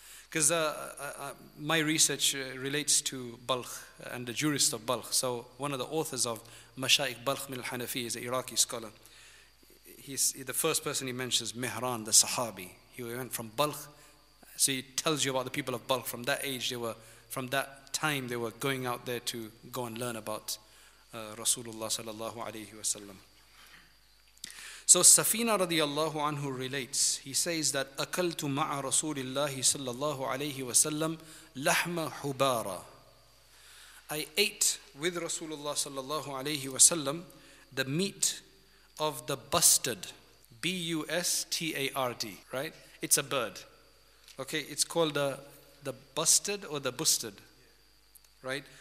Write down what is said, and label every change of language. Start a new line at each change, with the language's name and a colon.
English: Because my research relates to Balkh and the jurist of Balkh. So one of the authors of Mashaikh Balkh Mil Hanafi is an Iraqi scholar. the first person he mentions, Mihran, the Sahabi. He went from Balkh. So he tells you about the people of Balkh. From that age, they were, from that time, they were going out there to go and learn about Rasulullah sallallahu alayhi wa sallam. So Safina radiallahu anhu relates, he says that
Arabic: أَكَلْتُ مَعَ رَسُولِ اللَّهِ صَلَّى اللَّهُ عَلَيْهِ وَسَلَّمْ لَحْمَ حُبَارَ.
English: I ate with Rasulullah sallallahu alayhi wa sallam the meat of the bustard, B-U-S-T-A-R-D, right? It's a bird. Okay, it's called the bustard or the bustard, right?